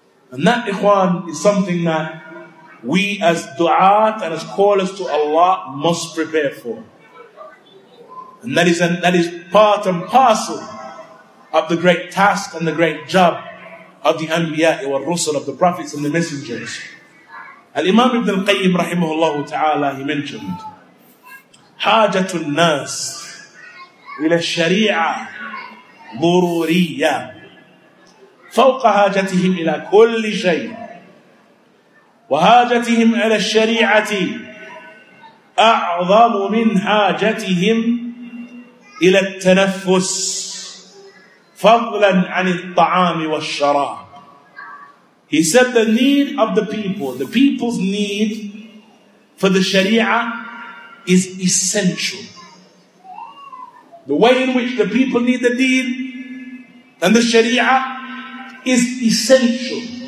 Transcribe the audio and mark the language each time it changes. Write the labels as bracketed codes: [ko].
[en] And that, ikhwan, is something that we as du'at and as callers to Allah must prepare for. And that is part and parcel of the great task and the great job of the anbiya wa rusul, of the prophets and the messengers. Al-Imam Ibn al-Qayyim rahimahullah ta'ala, he mentioned, [ar] حَاجَةُ النَّاسِ إِلَى الشَّرِيعَةِ ضُرُورِيَّةِ فَوْقَ حَاجَتِهِمْ إِلَى كُلِّ شَيْءٍ وَحَاجَتِهِمْ إِلَى الشَّرِيعَةِ أَعْظَمُ مِنْ حَاجَتِهِمْ إِلَى التَّنَفُّسِ فَضْلًا عَنِ الطَّعَامِ وَالشَّرَابِ. [en] He said the need of the people's need for the Sharia is essential. The way in which the people need the deen and the Sharia is essential.